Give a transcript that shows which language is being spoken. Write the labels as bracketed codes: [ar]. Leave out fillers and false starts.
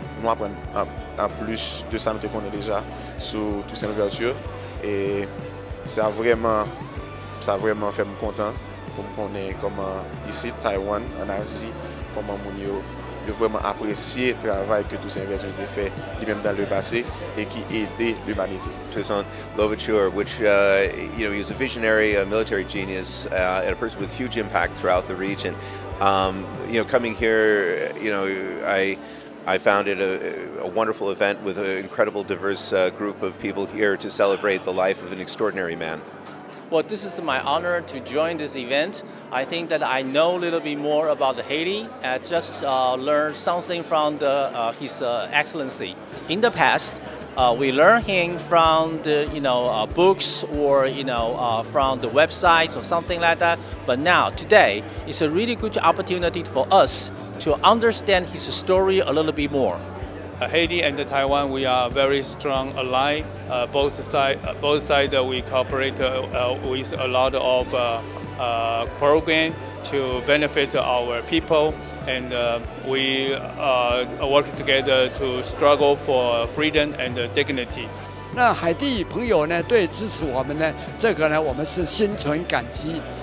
[fr] Nous apprenons en plus de ça que nous connaissons déjà sur Toussaint Louverture. Et ça a vraiment fait me content pour me connaître comment ici, Taïwan, en Asie, comment nous avons vraiment apprécié le travail que Toussaint Louverture a fait lui-même dans le passé et qui aidait l'humanité. [en] Toussaint Louverture, which you know, he was a visionary, a military genius, and a person with huge impact throughout the region. You know, coming here, you know, I found it a wonderful event with an incredible diverse group of people here to celebrate the life of an extraordinary man. Well, this is my honor to join this event. I think that I know a little bit more about Haiti and just learned something from his excellency. In the past, we learned him from the, you know, books or, you know, from the websites or something like that. But now, today, it's a really good opportunity for us to understand his story a little bit more. Haiti and Taiwan, we are very strong ally. Both sides, we cooperate with a lot of program to benefit our people. And we work together to struggle for freedom and dignity. [zh] 那海地朋友呢，对支持我们呢，这个呢，我们是心存感激。